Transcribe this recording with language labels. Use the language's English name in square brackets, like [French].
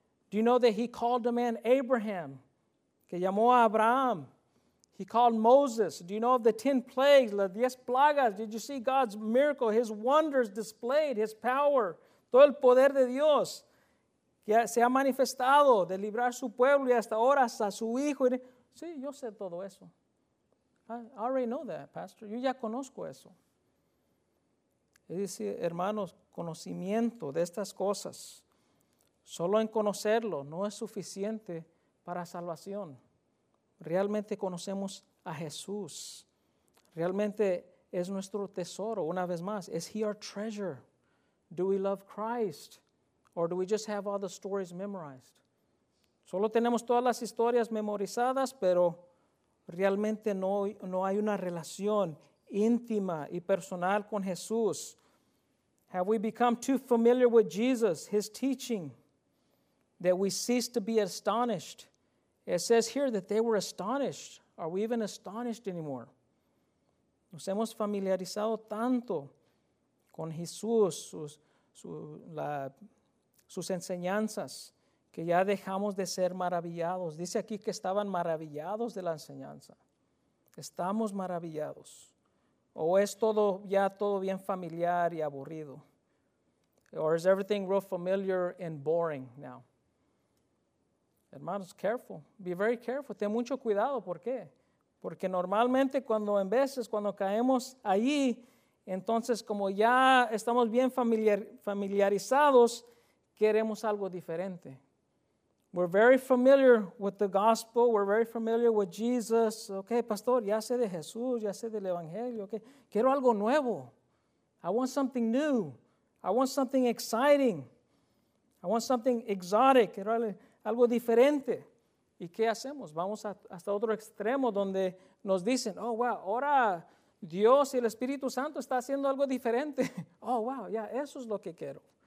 [English] Do you know that he called the man Abraham? [Spanish] Que llamó a Abraham. [English] He called Moses. Do you know of the 10 plagues, [Spanish] las 10 plagas? [English] Did you see God's miracle, his wonders displayed, his power? [Spanish] Todo el poder de Dios que se ha manifestado de librar su pueblo y hasta ahora hasta su hijo. Sí, yo sé todo eso. [English] I already know that, Pastor. [Spanish] Yo ya conozco eso. Es decir, hermanos, conocimiento de estas cosas, solo en conocerlo no es suficiente para salvación. Realmente conocemos a Jesús. Realmente es nuestro tesoro, una vez más. [English] Is he our treasure? Do we love Christ? Or do we just have all the stories memorized? [Spanish] Solo tenemos todas las historias memorizadas, pero realmente no hay una relación íntima y personal con Jesús. [English] Have we become too familiar with Jesus, his teaching, that we cease to be astonished? It says here that they were astonished. Are we even astonished anymore? [Spanish] Nos hemos familiarizado tanto con Jesús, sus enseñanzas, que ya dejamos de ser maravillados. Dice aquí que estaban maravillados de la enseñanza. Estamos maravillados. ¿O es todo ya todo bien familiar y aburrido? [English] Or is everything real familiar and boring now? [Spanish] Hermanos, [English] careful. Be very careful. [Spanish] Ten mucho cuidado. ¿Por qué? Porque normalmente cuando caemos allí, entonces como ya estamos bien familiarizados, queremos algo diferente. [English] We're very familiar with the gospel. We're very familiar with Jesus. Okay, pastor, [Spanish] ya sé de Jesús, ya sé del evangelio. Okay, quiero algo nuevo. [English] I want something new. I want something exciting. I want something exotic. [Spanish] Quiero algo diferente. ¿Y qué hacemos? Vamos hasta otro extremo donde nos dicen, [English] oh, wow, [Spanish] ahora Dios y el Espíritu Santo está haciendo algo diferente. [English] Oh, wow, yeah, [Spanish] eso es lo que quiero.